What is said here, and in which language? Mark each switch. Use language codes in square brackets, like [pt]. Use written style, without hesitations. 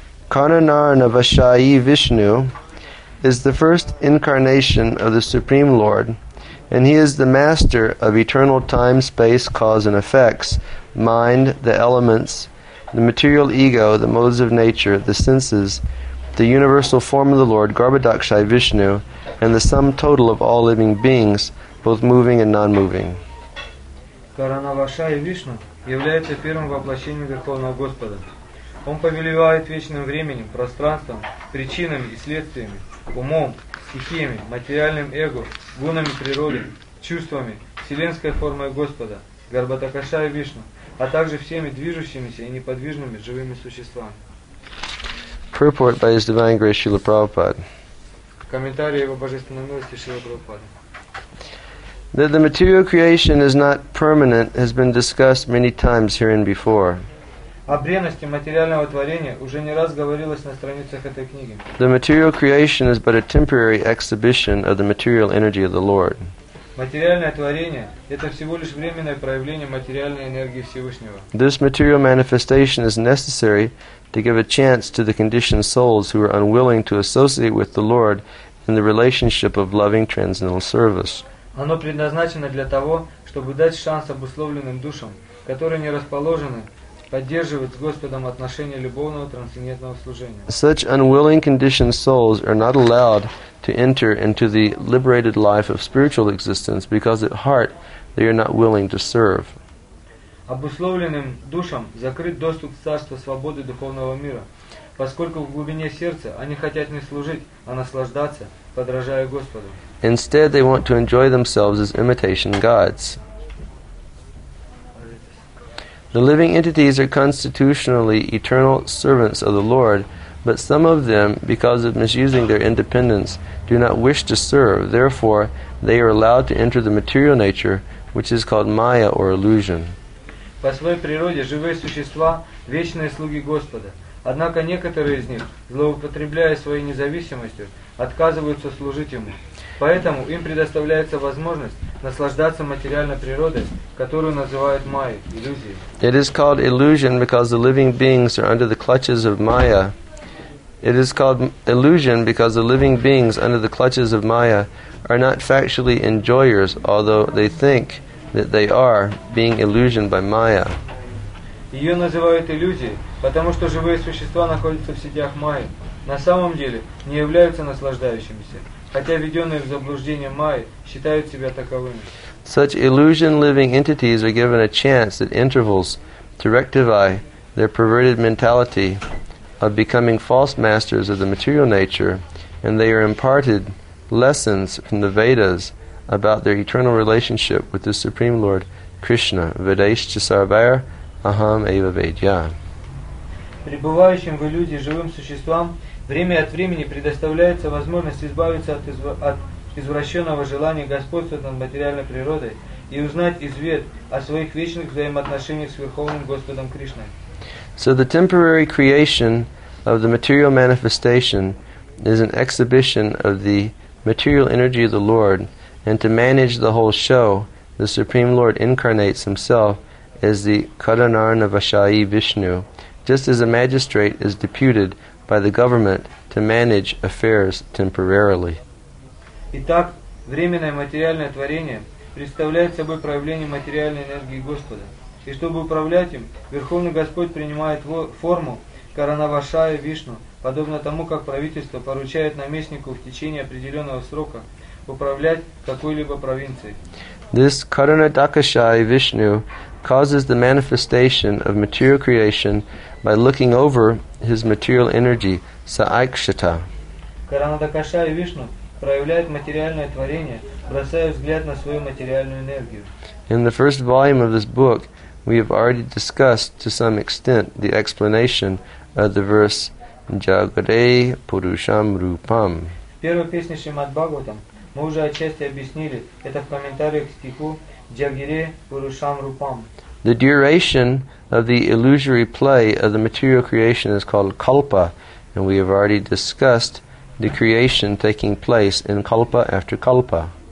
[en] Kananarana Vashayi Vishnu is the first incarnation of the Supreme Lord, and he is the master of eternal time, space, cause and effects, mind, the elements, the material ego, the modes of nature, the senses, the universal form of the Lord, Garbhadakshai Vishnu, and the sum total of all living beings, both moving and non-moving. [ru] Каранавашая Вишну является первым воплощением Верховного Господа. Он повелевает вечным временем, пространством, причинами и следствиями, умом, стихиями, материальным эго, гунами природы, чувствами, вселенской формой Господа, Гарбатакашая Вишну, а также всеми движущимися и неподвижными живыми существами. [en] Purport by His Divine Grace Srila Prabhupada. [ru] Комментарий Его Божественной Милости Шрила Прабхупады. [en] That the material creation is not permanent has been discussed many times herein before. [ru] О бренности материального творения уже не раз говорилось на страницах этой книги. [en] The material creation is but a temporary exhibition of the material energy of the Lord. [ru] Материальное творение – это всего лишь временное проявление материальной энергии Всевышнего. [en] This material manifestation is necessary to give a chance to the conditioned souls who are unwilling to associate with the Lord in the relationship of loving transcendental service. [ru] Оно предназначено для того, чтобы дать шанс обусловленным душам, которые не расположены поддерживать с Господом отношения любовного трансцендентного служения. [en] Such unwilling conditioned souls are not allowed to enter into the liberated life of spiritual existence because at heart they are not willing to serve. [ru] Обусловленным душам закрыт доступ к царству свободы духовного мира. поскольку в глубине сердца они хотят не служить, а наслаждаться, подражая Господу. [en] Instead, they want to enjoy themselves as imitation gods. The living entities are constitutionally eternal servants of the Lord, but some of them, because of misusing their independence, do not wish to serve. Therefore, they are allowed to enter the material nature, which is called Maya or illusion. [ru] По своей природе живые существа – вечные слуги Господа. Однако некоторые из них, злоупотребляя своей независимостью, отказываются служить Ему. Поэтому им предоставляется возможность наслаждаться материальной природой, которую называют Майя, иллюзией. [en] It is called illusion because the living beings are under the clutches of Maya. It is called illusion because the living beings under the clutches of Maya are not factually enjoyers, although they think that they are being illusioned by Maya. [ru] Ее называют иллюзией, потому что живые существа находятся в сетях Майи, на самом деле не являются наслаждающимися, хотя введенные в заблуждение Майи считают себя таковыми. [en] Such illusion living entities are given a chance at intervals to rectify their perverted mentality of becoming false masters of the material nature, and they are imparted lessons from the Vedas about their eternal relationship with the Supreme Lord Krishna, [sa] Vedaischa Sarvair, Aham Eva Vedya. [ru] Пребывающим в иллюзии живым существам время от времени предоставляется возможность избавиться от извращенного желания господства над материальной природой и узнать извет о своих вечных взаимоотношениях с Верховным Господом Кришной. [en] So the temporary creation of the material manifestation is an exhibition of the material energy of the Lord, and to manage the whole show, the Supreme Lord incarnates Himself as the Kadanarnavashayi Vishnu, just as a magistrate is deputed by the government to manage affairs temporarily. [ru] Итак, временное материальное творение представляет собой проявление материальной энергии Господа. И чтобы управлять им, Верховный Господь принимает форму Каранавашая Вишну, подобно тому, как правительство поручает наместнику в течение определенного срока управлять какой-либо провинцией. [en] This Karanadakashaya Vishnu causes the manifestation of material creation by looking over his material energy, Saikshita. [ru] Каранадакашая Вишну проявляет материальное творение, бросая взгляд на свою материальную энергию. [en] In the first volume of this book, we have already discussed to some extent the explanation of the verse [sa] Jagare Purusham Rupam. [ru] В первой песне Шримад Бхагаватам мы уже отчасти объяснили это в комментариях к стиху Джагире Пурушам Рупам. [en] The duration of the illusory play of the material creation is called Kalpa, and we have already discussed the creation taking place in Kalpa after Kalpa.